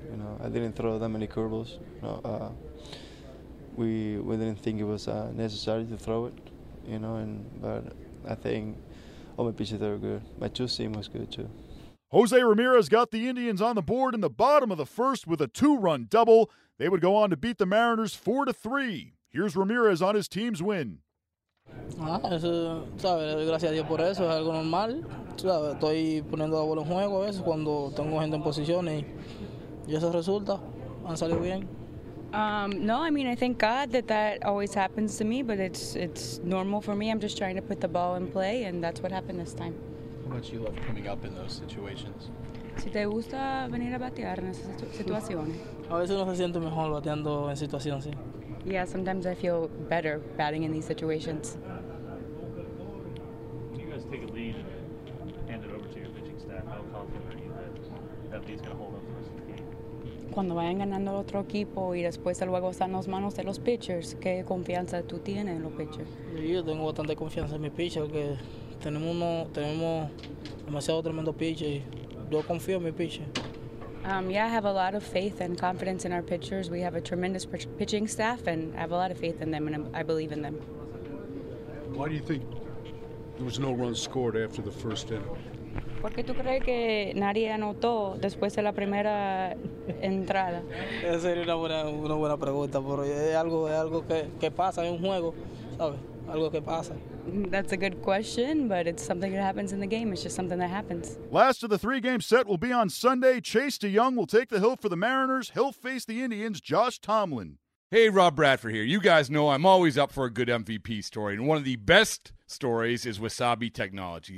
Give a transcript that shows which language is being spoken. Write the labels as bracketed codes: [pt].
[en] You know, I didn't throw that many curveballs. You know, we didn't think it was necessary to throw it. You know, but I think All my pitches are good. My two-seam was good, too. Jose Ramirez got the Indians on the board in the bottom of the first with a two-run double. They would go on to beat the Mariners 4-3. Here's Ramirez on his team's win. [es] Ah, eso, sabes, gracias a Dios por eso, es algo normal. Sabes, estoy poniendo la bola en juego a veces cuando tengo gente en posición y eso resulta, han salido bien. [en] No, I mean, I thank God that that always happens to me, but it's normal for me. I'm just trying to put the ball in play, and that's what happened this time. How much do you love coming up in those situations? [es] Si te gusta venir a batear en esas situaciones. A veces uno se siente mejor bateando en situaciones, sí. [en] Yeah, sometimes I feel better batting in these situations. Can you guys take a lead and hand it over to your pitching staff? How confident are you that lead's going to hold up the rest of the game? [es] Cuando vayan ganando el otro equipo y después luego están las manos de los pitchers, ¿qué confianza tú tienes en los pitchers? Yo tengo bastante confianza en mis pitchers porque tenemos demasiado tremendo pitcher y yo confío en mis pitchers. [en] I have a lot of faith and confidence in our pitchers. We have a tremendous pitching staff, and I have a lot of faith in them, and I believe in them. Why do you think there was no run scored after the first inning? [es] Porque tú crees que nadie anotó después de la primera entrada. Esa sería una buena pregunta, pero es algo que pasa en un juego, ¿sabes? Algo que pasa. [en] That's a good question, but it's something that happens in the game. It's just something that happens. Last of the three-game set will be on Sunday. Chase DeYoung will take the hill for the Mariners. He'll face the Indians' Josh Tomlin. Hey, Rob Bradford here. You guys know I'm always up for a good MVP story, and one of the best stories is Wasabi Technology.